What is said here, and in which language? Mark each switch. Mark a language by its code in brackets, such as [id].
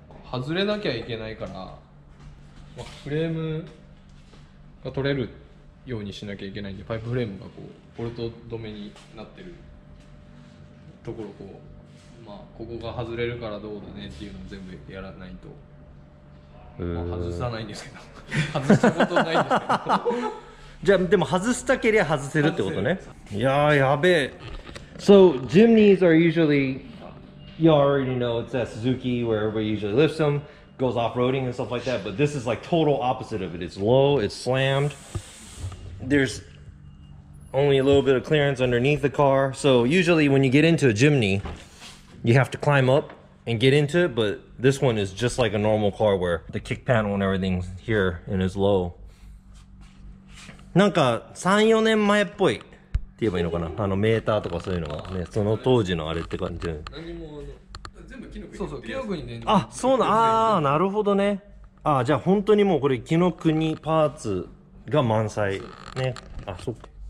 [ja] 外れなきゃいけないから、まあ、フレームが取れるようにしなきゃいけないんで、パイプフレームがこうボルト止めになってるところこう、まあ、ここが外れるからどうだねっていうのを全部やらないと、まあ、外さないんですけど外したことないんですけどじゃあでも外したければ外せるってことね。いやーやべえ。 [en] So Jimneys are usually you already know it's that Suzuki where everybody usually lifts themGoes off-roading and stuff like that, but this is like total opposite of it. It's low, it's slammed. There's only a little bit of clearance underneath the car. So usually when you get into a Jimny, you have to climb up and get into it, but this one is just like a normal car where the kick panel and everything's here and is low. [ja] なんか3、4年前っぽいって言えばいいのかな？あのメーターとかそういうのがね、その当時のあれって感じ。全部キノクニ。そうそう、キノクニね。あ、そうな、ああ、なるほどね。あ、じゃあ本当にもうこれキノクニパーツが満載ね。あ、そっか。